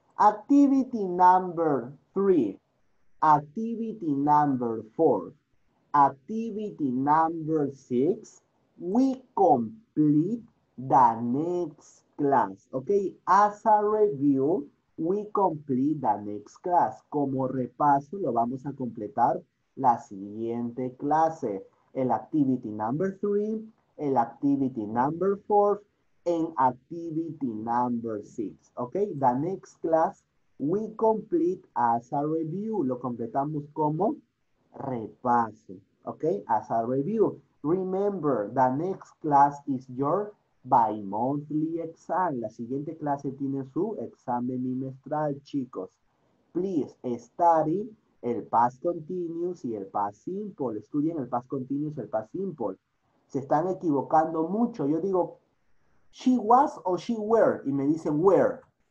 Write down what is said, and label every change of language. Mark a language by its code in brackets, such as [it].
[en] Activity number three. Activity number four, activity number six, we complete the next class, okay? As a review, we complete the next class. [es] Como repaso, lo vamos a completar la siguiente clase. [en] El activity number three, el activity number four, and activity number six, okay? The next class. We complete as a review. [es] Lo completamos como repaso. Okay? [en] As a review. Remember, the next class is your bi-monthly exam. [es] La siguiente clase tiene su examen bimestral, chicos. [en] Please study el past continuous y el past simple. [es] Estudien el past continuous y el past simple. Se están equivocando mucho. Yo digo, [en] she was [es] o [en] she were. [es] Y me dicen, where.